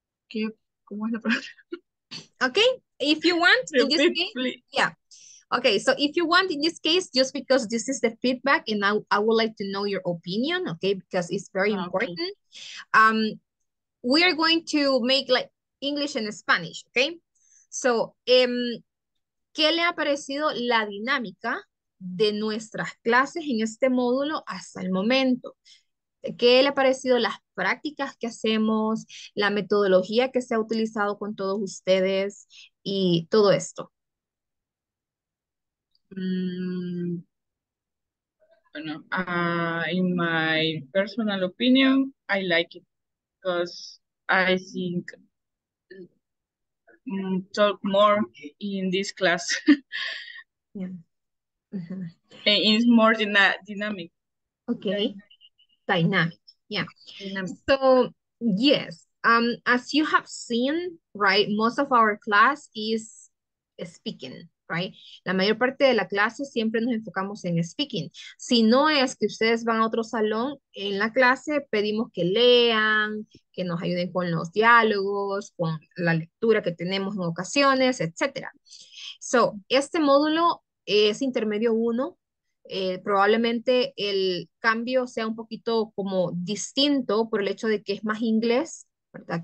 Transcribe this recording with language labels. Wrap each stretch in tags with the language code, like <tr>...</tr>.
<en>Okay, if you want, in this case, yeah. Okay, so if you want, in this case, just because this is the feedback and I would like to know your opinion, okay, because it's very important. We are going to make like English and Spanish, okay?</en> <es>So, ¿qué le ha parecido la dinámica de nuestras clases en este módulo hasta el momento? ¿Qué le ha parecido las prácticas que hacemos, la metodología que se ha utilizado con todos ustedes y todo esto?</es> <en>Bueno, in my personal opinion, I like it because I think talk more in this class. Yeah. Mm-hmm. It's more dynamic. Okay. Dynamic. Yeah. Dynamic. So, yes. As you have seen, right, most of our class is speaking, right?</en> <es>La mayor parte de la clase siempre nos enfocamos en speaking. Si no es que ustedes van a otro salón en la clase, pedimos que lean, que nos ayuden con los diálogos, con la lectura que tenemos en ocasiones, etc. So, este módulo es intermedio 1. Probablemente el cambio sea un poquito como distinto por el hecho de que es más inglés, ¿verdad?</es>